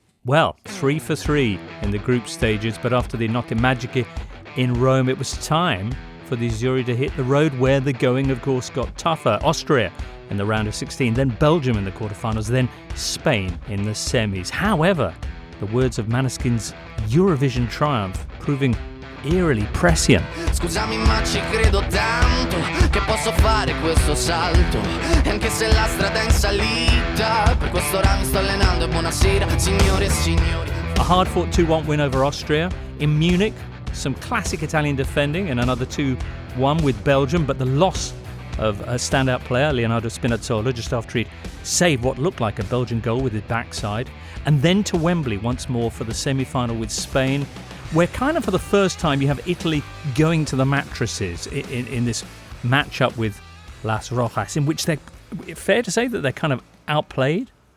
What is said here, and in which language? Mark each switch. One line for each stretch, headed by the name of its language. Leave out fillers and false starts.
English: Well, 3-3 in the group stages, but after the Notte Magiche in Rome, it was time for the Azzurri to hit the road, where the going, of course, got tougher. Austria in the round of 16, then Belgium in the quarterfinals, then Spain in the semis. However, the words of Maneskin's Eurovision triumph proving eerily prescient.
Italian: Scusami, ma ci credo tanto che posso fare questo salto. E anche se la strada è in salita, per questo ora mi sto allenando. Buonasera, signore e signori.
English: A hard-fought 2-1 win over Austria. In Munich, some classic Italian defending, and another 2-1 with Belgium. But the loss of a standout player, Leonardo Spinazzola, just after he'd saved what looked like a Belgian goal with his backside. And then to Wembley once more for the semi-final with Spain, where kind of for the first time you have Italy going to the mattresses in this matchup with Las Rojas, in which they're fair to say that they're kind of outplayed.